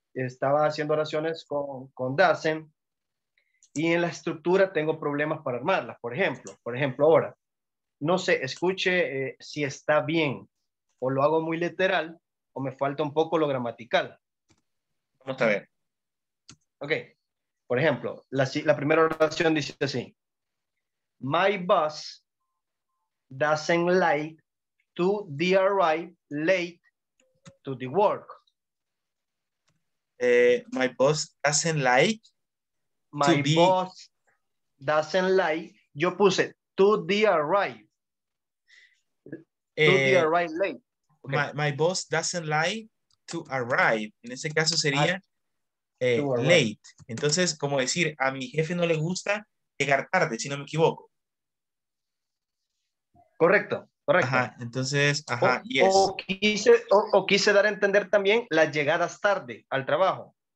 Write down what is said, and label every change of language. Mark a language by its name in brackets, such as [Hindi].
[Spanish] Estaba haciendo oraciones con Dasen y en la estructura tengo problemas para armarlas. Por ejemplo, ahora, no sé, escuche si está bien o lo hago muy literal o me falta un poco lo gramatical. Vamos a ver. Ok, por ejemplo, la primera oración dice así. [English] My boss doesn't like to arrive late to the work. My boss doesn't like my to be... boss doesn't like [Spanish] yo puse [English] to the arrive late okay. my boss doesn't like to arrive [Spanish] en ese caso sería late, entonces como decir a mi jefe no le gusta llegar tarde si no me equivoco. Correcto. Ajá, entonces, ajá, yes. O quise dar a entender también las llegadas tarde al trabajo.